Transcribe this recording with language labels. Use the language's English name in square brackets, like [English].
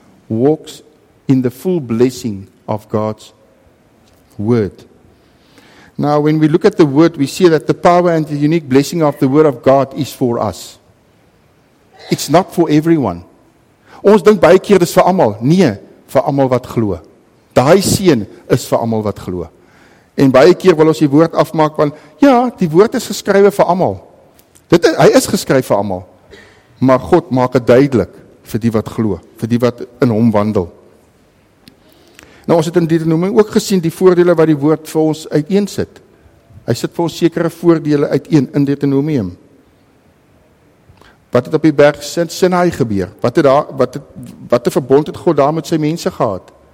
[English] walks in the full blessing of God's word. Now, when we look at the word, we see that the power and the unique blessing of the word of God is for us. It's not for everyone. [Afrikaans] Ons dink baie keer dis vir almal. Nee, vir almal wat glo. Daai seën is vir almal wat glo. En baie keer wil ons die woord afmaak van ja, die woord is geskrywe vir almal. Dit is, hy is geskryf vir almal. Maar God maak dit duidelik vir die wat glo, vir die wat in hom wandel. Nou ons het in Deuteronomium ook gesien die voordele wat die woord vir ons uiteensit. Hy sit vir ons sekere voordele uiteen in Deuteronomium. Wat het op die berg Sinai gebeur? Wat het verbond het God daar met sy mense gehad?